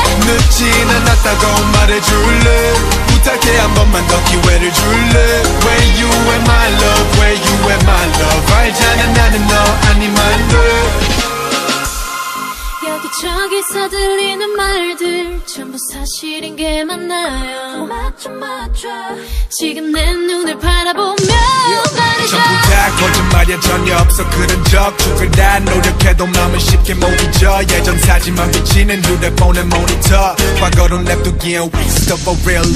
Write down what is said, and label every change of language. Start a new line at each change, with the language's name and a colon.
Korean: 늦진 않았다고 말해줄래. 부탁해 한 번만 더 기회를 줄래.
English: Where you at my love, where you at my love.
Korean: 알잖아 나는 너 아니면 돼. 여기저기서 들리는 말들 전부 사실인 게 맞나요. 맞죠 맞죠. 지금 내 눈을 바라보며 말해줘. 전부 다 거짓말이야. 전혀 없어 그런 적. 죽을 다 노력해도 마음은 쉽게 못 잊어. 예전 사진만 비치는 휴대폰의 모니터. 과거로 냅두기엔
English: we stop for real love.